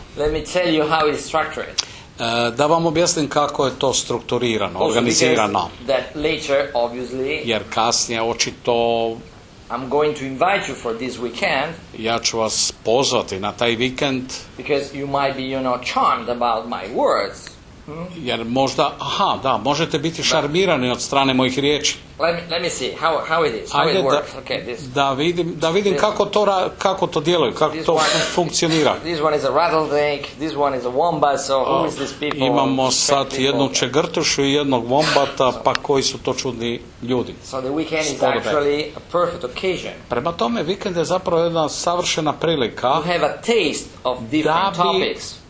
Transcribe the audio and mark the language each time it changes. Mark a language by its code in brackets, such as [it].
[en] Let me tell you how it's structured. [hr] Da vam objasnim kako je to strukturirano, organizirano. [en] That later, obviously, [hr] jer kasnije očito [en] I'm going to invite you for this weekend. [hr] Ja ću vas pozvati na taj vikend. [en] Because you might be, you know, charmed about my words. [hr] Hmm? Jer možda, aha, da, možete biti šarmirani od strane mojih riječi. [en] Let me see how it is, how it works. Okay, this. [hr] Da vidim kako to djeluje, kako to funkcionira. [en] This one is a rattlesnake, this one is a wombat, so who is these people? [hr] Imamo sad jednu čegrtušu i jednog wombata, pa koji su to čudni ljudi? [en] So the weekend is actually a perfect occasion. [hr] Prema tome, vikend je zapravo jedna savršena prilika. [en] To have a taste of different topics.